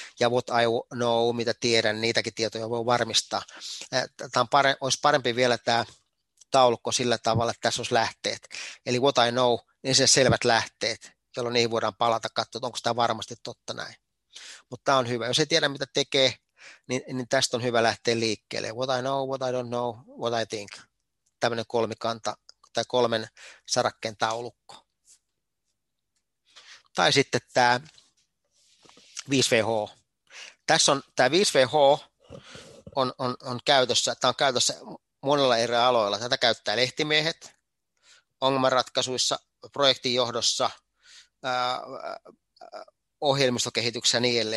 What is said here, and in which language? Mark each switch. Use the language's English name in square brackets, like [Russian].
[Finnish] Ja [English] what I know, [Finnish] mitä tiedän, niitäkin tietoja voi varmistaa. Olisi parempi vielä tämä taulukko sillä tavalla, että tässä olisi lähteet. Eli [English] what I know, [Finnish] niin se selvät lähteet, jolloin niihin voidaan palata katsoa, onko tämä varmasti totta näin. Mutta tämä on hyvä. Jos ei tiedä, mitä tekee, niin tästä on hyvä lähteä liikkeelle. [English] What I know, what I don't know, what I think. [Finnish] Tämmöinen kolmikanta tai kolmen sarakkeen taulukko. Tai sitten tämä 5VH. Tässä on tämä 5VH on käytössä. Tämä on käytössä monella eri aloilla. Tätä käyttää lehtimiehet ongelmanratkaisuissa, projektin johdossa, ohjelmistokehityksessä ja niin edelleen.